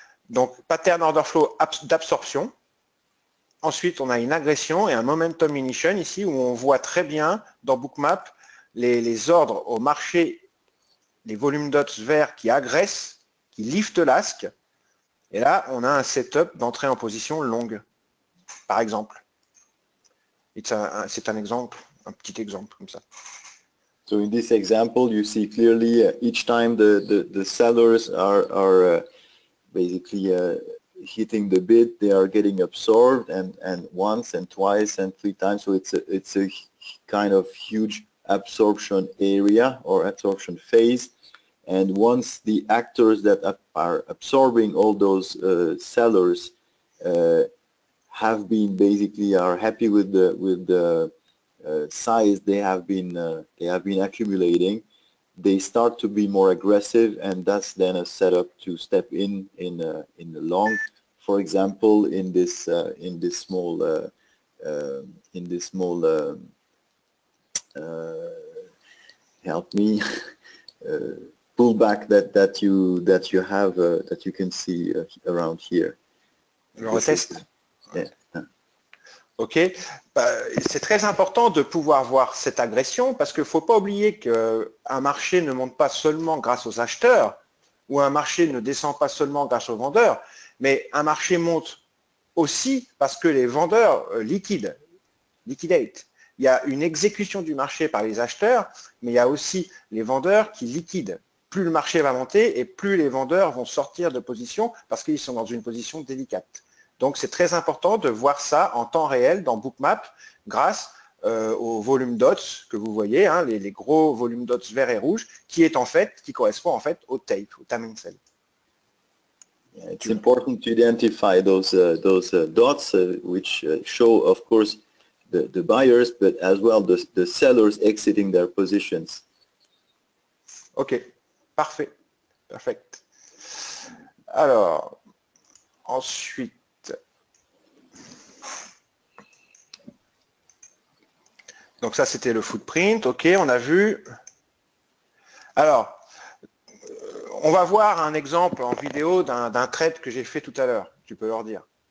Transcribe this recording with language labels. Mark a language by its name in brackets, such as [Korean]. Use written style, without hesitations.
[French] Donc, pattern order flow d'absorption. Ensuite, on a une agression et un momentum ignition ici où on voit très bien dans Bookmap les ordres au marché, les volumes dots verts qui agressent, qui liftent l'ask. Et là, on a un setup d'entrée en position longue, par exemple. C'est un exemple, un petit exemple comme ça. [English] So in this example, you see clearly each time the sellers are basically hitting the bid, they are getting absorbed and once and twice and three times. So it's a kind of huge absorption area or absorption phase. And once the actors that are absorbing all those sellers have been basically are happy with the size they have been accumulating, they start to be more aggressive, and that's then a setup to step in the long. For example, pullback that you can see around here. [French] Le retest. [English] Yeah. Ok. [French] C'est très important de pouvoir voir cette agression parce qu'il ne faut pas oublier qu'un marché ne monte pas seulement grâce aux acheteurs ou un marché ne descend pas seulement grâce aux vendeurs, mais un marché monte aussi parce que les vendeurs liquident. Il y a une exécution du marché par les acheteurs, mais il y a aussi les vendeurs qui liquident. Plus le marché va monter et plus les vendeurs vont sortir de position parce qu'ils sont dans une position délicate. Donc, c'est très important de voir ça en temps réel dans Bookmap grâce au volume dots que vous voyez, hein, les gros volumes dots verts et rouges, qui correspond en fait au tape, au timing cell. [English] Yeah, it's important to identify those dots, which show, of course, the buyers, but as well the sellers exiting their positions. [French] OK. Parfait, perfect. Alors, ensuite, donc ça c'était le footprint, ok, on a vu. Alors, on va voir un exemple en vidéo d'un trade que j'ai fait tout à l'heure, tu peux leur dire.